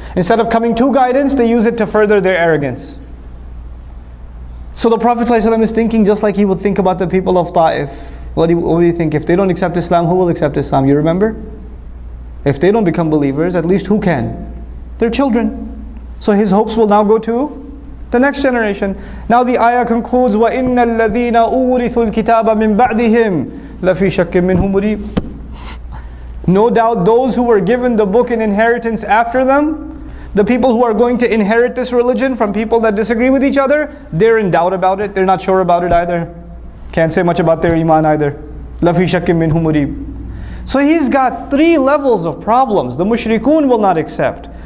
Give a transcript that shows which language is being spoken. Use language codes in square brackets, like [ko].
[en] Instead of coming to guidance, they use it to further their arrogance. So the Prophet ﷺ is thinking just like he would think about the people of Ta'if. What do you think? If they don't accept Islam, who will accept Islam? You remember? If they don't become believers, at least who can? Their children. So his hopes will now go to the next generation. Now the ayah concludes, [ar] وَإِنَّ الَّذِينَ أُورِثُوا الْكِتَابَ مِنْ بَعْدِهِمْ لَفِي شَكٍّ مِّنْهُ مُرِيبٍ. [en] No doubt those who were given the book in inheritance after them, the people who are going to inherit this religion from people that disagree with each other, they're in doubt about it, they're not sure about it either. Can't say much about their iman either. [ar] لَفِي شَكٍّ مِّنْهُ مُرِيبٍ. [en] So he's got three levels of problems. The mushrikun will not accept.